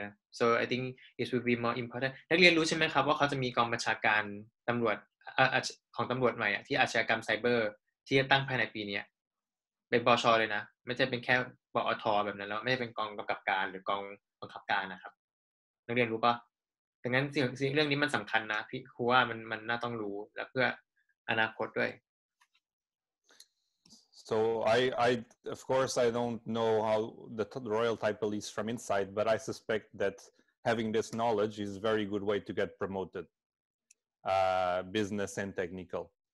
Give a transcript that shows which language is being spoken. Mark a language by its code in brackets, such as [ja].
[en] So I think it will be more important. [th] นักเรียนรู้ใช่ไหมครับว่าเขาจะมีกองบัญชาการตำรวจของตำรวจใหม่ที่อาชญากรรมไซเบอร์ที่จะตั้งภายในปีนี้เป็นบช.เลยนะไม่ใช่เป็นแค่บอท. แบบนั้นแล้วไม่ใช่เป็นกองกำกับการหรือกองบังคับการนะครับนักเรียนรู้ป่ะดังนั้นสิ่งเรื่องนี้มันสำคัญนะพี่ครูว่ามันน่าต้องรู้และเพื่ออนาคตด้วย [en] So I of course I don't know how the Royal Thai Police from inside, but I suspect that having this knowledge is a very good way to get promoted, business and technical.